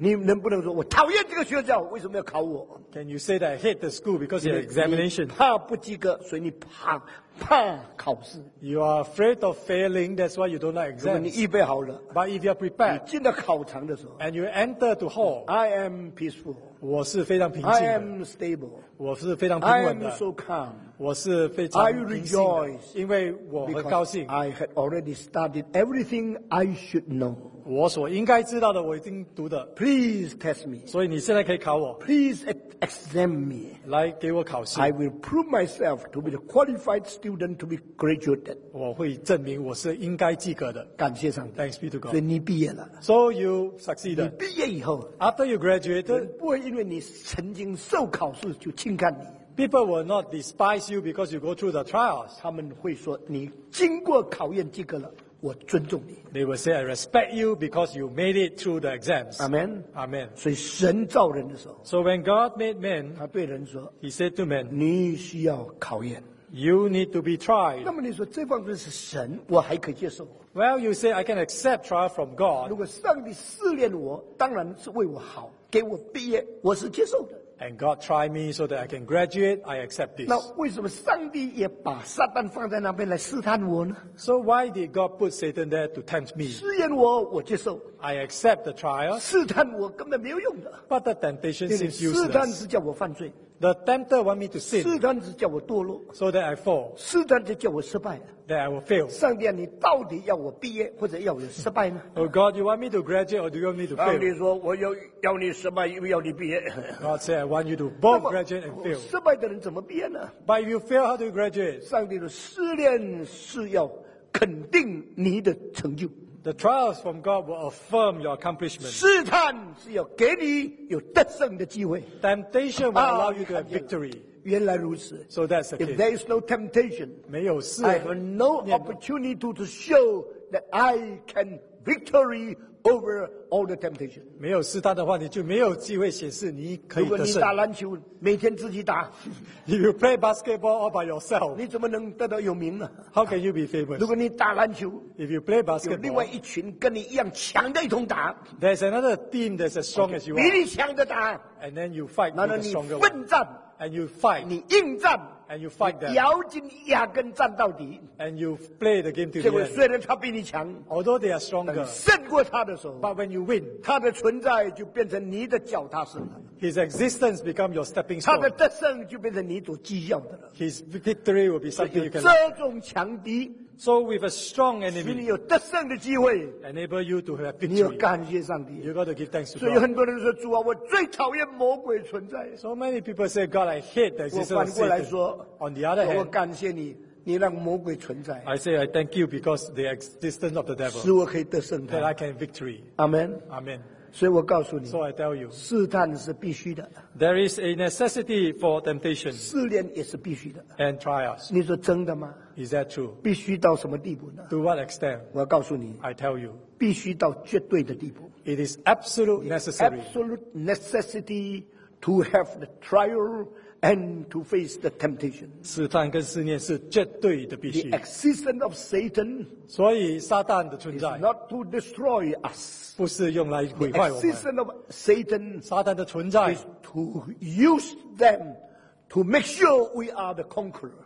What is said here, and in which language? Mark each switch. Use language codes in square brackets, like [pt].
[zh] 你能不能说，我讨厌这个学校，为什么要考我？ [en] Can you say that I hate the school because of examination? [zh] 怕不及格，所以你怕考试。 [en] You are afraid of failing, that's why you don't like exams. [zh] 如果你预备好了， [en] but if you are prepared, [zh] 你进了考场的时候， [en] and you enter to hall, I am peaceful. [zh] 我是非常平静的。 [en] I am stable. [zh] 我是非常平稳的。 [en] I am so calm. [zh] 我是非常平静的。 [en] I rejoice. [zh] 因为我很高兴。 [en] I had already studied everything I should know. [zh] 我所应该知道的我已经读的。 [en] Please test me. [zh] 所以你现在可以考我。 [en] Please examine me. [zh] 来给我考试。 [en] I will prove myself to be the qualified student to be graduated. [zh] 我会证明我是应该及格的。感谢上帝。 [en] Thanks be to God. [zh] 所以你毕业了。 [en] So you succeeded. [zh] 你毕业以后， [en] after you graduated, [zh] 不会因为你曾经受考试就轻看你。 [en] People will not despise you because you go through the trials. [zh] 他们会说你经过考验及格了，我尊重你。 [en] They will say, I respect you because you made it through the exams. Amen. Amen. [zh] 所以神造人的时候， [en] so when God made man, [zh] 他对人说， [en] he said to man, [zh] 你需要考验。 [en] You need to be tried. [zh] 那么你说这方面是神， 我还可以接受。 [en] Well, you say, I can accept trial from God. [zh] 如果上帝试炼我， 当然是为我好， 给我毕业， 我是接受的。 [en] And God try me so that I can graduate, I accept this. [zh] 那为什么上帝也把撒旦放在那边来试探我呢？ [en] So why did God put Satan there to tempt me? [zh] 试验我，我接受。 [en] I accept the trial. [zh] 试探我根本没有用的。 [en] But the temptation seems useless. [zh] 试探是叫我犯罪。 [en] The tempter want me to sin. [zh] 试探是叫我堕落。 [en] So that I fall. [zh] 试探就叫我失败。 [en] That I will fail. [zh] 上帝啊，你到底要我毕业或者要我失败呢？ [en] Oh God, you want me to graduate or do you want me to fail? [zh] 上帝说，我要你失败，又要你毕业。 [en] God said, I want you to both graduate and fail. [zh] 失败的人怎么毕业呢？ [en] But if you fail, how do you graduate? [zh] 上帝的试炼是要肯定你的成就。 [en] The trials from God will affirm your accomplishment. [zh] 试探是要给你有得胜的机会。 [en] Temptation will allow you to have victory. [zh] 原来如此。 [en] So that's the case. If there is no temptation, [zh] 没有试, [en] I have no opportunity to show that I can victory over all the temptation. [zh] 没有试探的话， 你就没有机会显示你可以得胜。如果你打篮球， 每天自己打。 [en] If you play basketball all by yourself, [zh] 你怎么能得到有名呢？ [en] How can you be famous? [zh] 如果你打篮球， [en] If you play basketball, [zh] 有另外一群跟你一样强的一同打。 [en] There's another team that's as strong as you are. [zh] 比你强的打。 [en] And then you fight with the stronger one. [zh] 难道你奋战？ [en] And you fight. [zh] 你应战。 [en] and you fight them. [zh] 咬紧牙根战到底。 [en] And you play the game to the end. [zh] 结果虽然他比你强 [en] ，although they are stronger， [zh] 胜过他的时候 [en] ，but when you win， [zh] 他的存在就变成你的脚踏石了。 [en] His existence become your stepping stone. [zh] 他的得胜就变成你所寄养的了。 [en] His victory will be something you can. [zh] 这种强敌。 [en] So with a strong enemy, [zh] 使你有得胜的机会 [en] enable you to have victory. [zh] 你要感谢上帝。 [en] You got to give thanks to God. [zh] 所以很多人说主啊，我最讨厌魔鬼存在。 [en] So many people say, God, I hate the existence of Satan. [zh] 我反过来说 [en] ，On the other hand, [zh] 我感谢你，你让魔鬼存在。 [en] I say I thank you because the existence of the devil. [zh] 使我可以得胜他。 [en] That I can victory. Amen. Amen. [zh] 所以我告诉你 [en] ，So I tell you, [zh] 试探是必须的。 [en] There is a necessity for temptation. [zh] 试炼也是必须的。 [en] And trials. [zh] 你说真的吗？ [en] Is that true? [zh] 必须到什么地步呢 [en] ？To what extent? [zh] 我要告诉你 [en] ，I tell you， [zh] 必须到绝对的地步。 [en] It is absolute necessary. Absolute necessity to have the trial and to face the temptation. [zh] 试探跟试炼是绝对的必须。 [en] The existence of Satan. [zh] 所以撒旦的存在。 [en] Is not to destroy us. [zh] 不是用来毁坏我们。 [en] The existence of Satan. [zh] 撒旦的存在。 [en] Is to use them to make sure we are the conqueror.